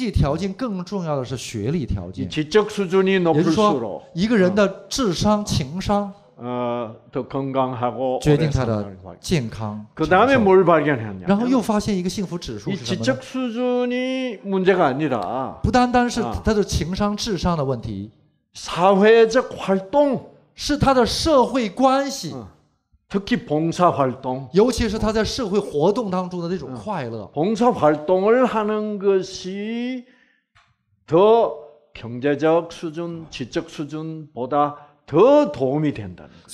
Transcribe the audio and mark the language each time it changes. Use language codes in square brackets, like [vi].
[zh] 比经济条件更重要的是学历条件。 [ko] 지적 수준이 높을수록 [zh] 一个人的智商情商 [ko] 더 건강하고 [zh] 决定他的健康。 [ko] 그다음에 뭘 발견했냐? [zh] 然后又发现一个幸福指数是什么? [ko] 이 지적 수준이 문제가 아니라 [zh] 不单单是他的情商智商的问题。 [ko] 사회적 활동 [zh] 是他的社会关系。 [ko] 특히 봉사 활동, [zh] 尤其是他在社会活动当中的那种快乐。 [ko] 봉사 활동을 하는 것이 더 경제적 수준, 지적 수준보다 더 도움이 된다.